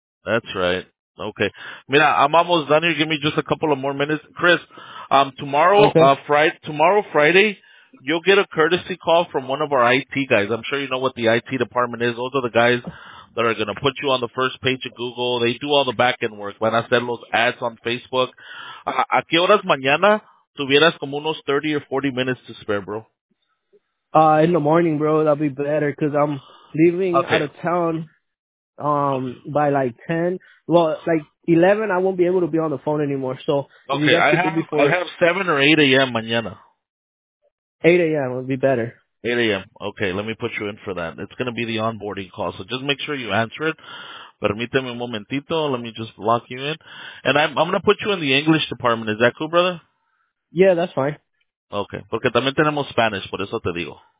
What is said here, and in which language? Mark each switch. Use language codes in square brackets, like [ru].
[en] That's right. Okay. Mira, I'm almost done here. Give me just a couple of more minutes. Chris, tomorrow, Friday, you'll get a courtesy call from one of our IT guys. I'm sure you know what the IT department is. Those are the guys that are going to put you on the first page of Google. They do all the back-end work. [es] Van a hacer los [en] ads on Facebook. [es] ¿A qué horas mañana tuvieras como unos [en] 30 or 40 minutes to spare, [es] bro? [en] In the morning, bro, that'll be better because I'm leaving out of town by like 10. Well, like 11, I won't be able to be on the phone anymore. So I have 7 or 8 a.m. mañana. 8 a.m. would be better. 8 a.m. Okay, let me put you in for that. It's going to be the onboarding call, so just make sure you answer it. [es] Permíteme un momentito. [en] Let me just lock you in. And I'm going to put you in the English department. Is that cool, brother? Yeah, that's fine. [es] Okay, porque también tenemos Spanish, por eso te digo.